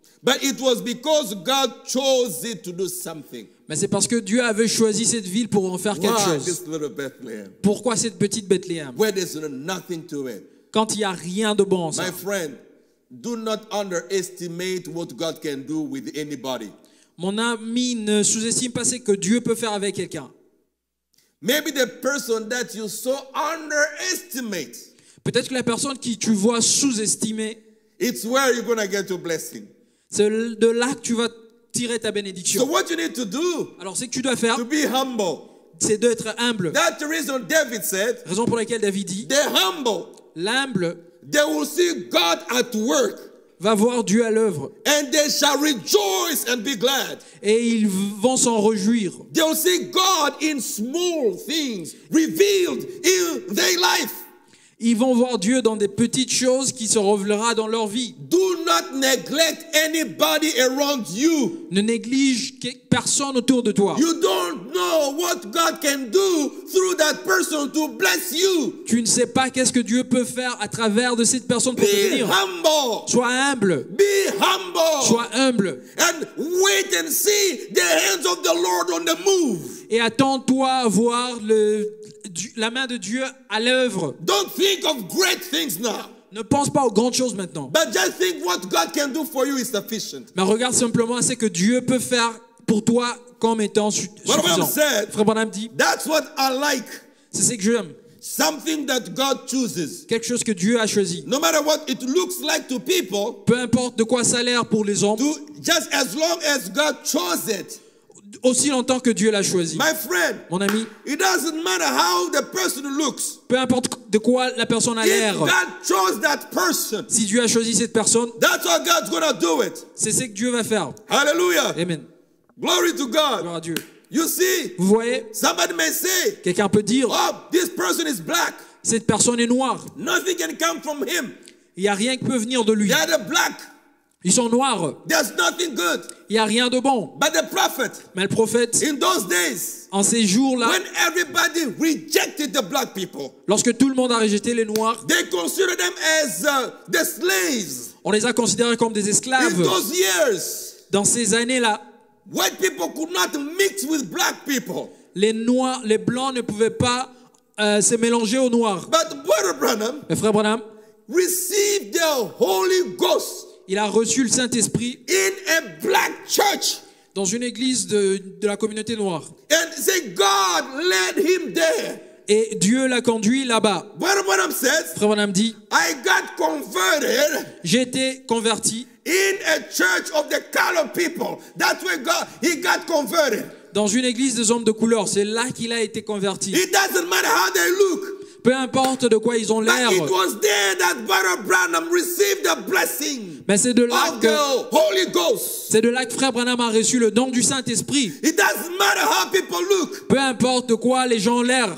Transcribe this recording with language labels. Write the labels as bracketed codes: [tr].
[en] But it was because God chose it to do something. [fr] Mais c'est parce que Dieu avait choisi cette ville pour en faire quelque chose. Pourquoi cette petite Bethléem? [en] Where there's nothing to it. [fr] Quand il n'y a rien de bon en ça. [en] My friend, do not underestimate what God can do with anybody. [fr] Mon ami, ne sous-estime pas ce que Dieu peut faire avec quelqu'un. [en] Maybe the person that you so underestimate. [fr] Peut-être que la personne qui tu vois sous-estimer. [en] It's where you're gonna get your blessing. [fr] C'est de là que tu vas tirer ta bénédiction. [en] So what you need to do, [fr] alors, ce que tu dois faire, [en] to be humble, [fr] c'est d'être humble. [en] That's the reason David said, [fr] raison pour laquelle David dit, [en] they're humble, [fr] l'humble, [en] they will see God at work, [fr] va voir Dieu à l'œuvre, [en] and they shall rejoice and be glad, [fr] et ils vont s'en réjouir. [en] They will see God in small things revealed in their life. [fr] Ils vont voir Dieu dans des petites choses qui se révélera dans leur vie. [en] Do not neglect anybody around you. [fr] Ne néglige personne autour de toi. [en] You don't know what God can do through that person to bless you. [fr] Tu ne sais pas qu'est-ce que Dieu peut faire à travers de cette personne pour [en] be [fr] te bénir. [en] Be humble. [fr] Sois humble. [en] Be humble. [fr] Sois humble. [en] And wait and see the hands of the Lord on the move. [fr] Et attends-toi à voir le la main de Dieu à l'œuvre. [en] Don't think of great things now. [fr] Ne pense pas aux grandes choses maintenant. [en] But just think what God can do for you is sufficient. [fr] Mais regarde simplement ce que Dieu peut faire pour toi comme étant suffisant. Frère Branham dit, [en] that's what I like. [fr] C'est ce que j'aime. [en] Something that God chooses. [fr] Quelque chose que Dieu a choisi. [en] No matter what it looks like to people. [fr] Peu importe de quoi ça a l'air pour les hommes. [en] To, just as long as God chose it. [fr] Aussi longtemps que Dieu l'a choisi. [en] My friend, [fr] mon ami, [en] it doesn't matter how the person looks. [fr] Peu importe de quoi la personne a l'air. [en] If God chose that person, [fr] si Dieu a choisi cette personne, [en] that's how God's gonna do it. [fr] C'est ce que Dieu va faire. Hallelujah. Amen. [en] Glory to God. [fr] Gloire à Dieu. [en] You see, [fr] vous voyez, [en] somebody may say, [fr] quelqu'un peut dire, [en] oh, this person is black. [fr] Cette personne est noire. [en] Nothing can come from him. [fr] Il n'y a rien qui peut venir de lui. [en] They are black. [fr] Ils sont noirs. [en] There's nothing good. [fr] Il n'y a rien de bon. [en] But the prophet, [fr] mais le prophète, [en] in those days, [fr] en ces jours-là, [en] when everybody rejected the black people, [fr] lorsque tout le monde a rejeté les noirs, [en] they considered them as, the slaves. [fr] On les a considérés comme des esclaves. [en] In those years, [fr] dans ces années-là, [en] white people could not mix with black people. [fr] Les noirs, les blancs ne pouvaient pas se mélanger aux noirs. [en] But Brother Branham, [fr] mais Frère Branham, [en] received the Holy Ghost. [fr] Il a reçu le Saint-Esprit [en] in a black church. [fr] Dans une église de la communauté noire. [en] And say God led him there. [fr] Et Dieu l'a conduit là-bas. Frère Branham dit, [en] I got converted. [fr] J'ai été converti [en] in a church of the colored people. That's where God he got converted. [fr] Dans une église des hommes de couleur, c'est là qu'il a été converti. [en] It doesn't matter how they look. [fr] Peu importe de quoi ils ont l'air. [en] But it was there that Brother Branham received the blessing. [fr] Mais c'est de là que [en] Holy Ghost. [fr] C'est de là que Frère Branham a reçu le don du Saint-Esprit. [en] It doesn't matter how people look. [fr] Peu importe de quoi les gens ont l'air.